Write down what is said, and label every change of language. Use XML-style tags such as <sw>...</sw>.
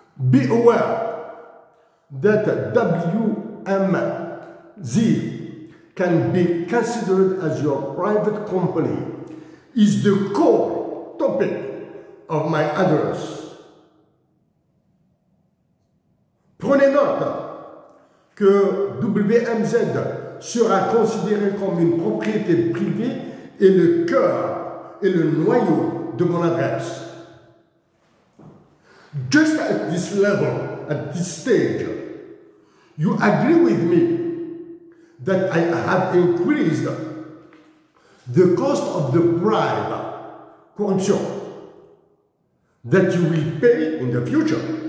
<en>Be aware that WMZ can be considered as your private company is the core topic of my address.</en> <fr>Prenez note que WMZ sera considéré comme une propriété privée et le cœur et le noyau de mon adresse.</fr> <en>Just at this level, at this stage, you agree with me that I have increased the cost of the bribe, corruption, that you will pay in the future.</en>